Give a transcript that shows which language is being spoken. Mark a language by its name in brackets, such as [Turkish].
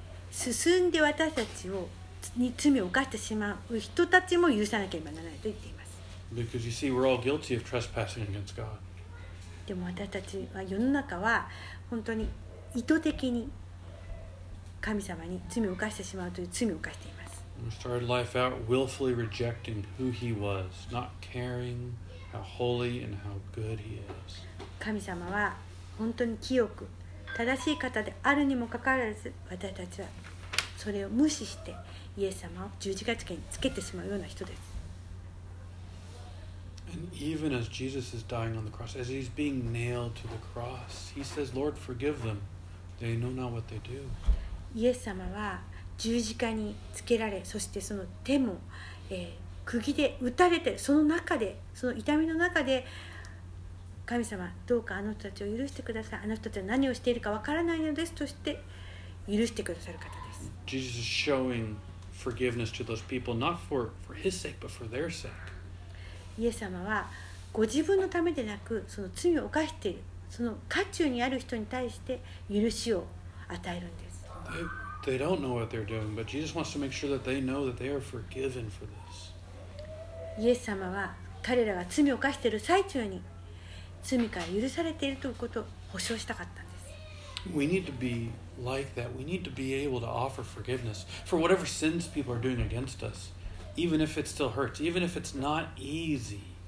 [Japanese] 進んで私たちをに罪を犯してしまう人たちも許さなければならないと言っています。 [English] Because you see, we're all guilty of trespassing against God. [Japanese] でも私たちは世の中は本当に意図的に神様に罪を犯してしまうという罪を犯しています。 [English] We started life out willfully rejecting who He was, not caring how holy and how good He is. [Japanese] 神様は本当に清く正しい方であるにもかかわらず、私たちはそれを無視してイエス様を十字架架につけてしまうような人です。 [English] And even as Jesus is dying on the cross, as he's being nailed to the cross, he says, "Lord, forgive them. They know not what they do." [Japanese] イエス様は十字架につけられ、そしてその手も、釘で打たれて、その中で、その痛みの中で。神様、どうかあの人たちを許してください。あの人たちは何をしているかわからないのですとして許してくださる方です。 [English] Jesus is showing forgiveness to those people, not for his sake, but for their sake. [Japanese] イエス様はご自分のためでなく、その罪を犯している、その渦中にある人に対して許しを与えるんです。 [English] They don't know what they're doing, but Jesus wants to make sure that they know that they are forgiven for this. [Japanese] イエス様は彼らが罪を犯している最中に罪から許されているということを保証したかったんです。 [English] We need to be like that. We need to be able to offer forgiveness for whatever sins people are doing against us, even if it still hurts, even if it's not easy.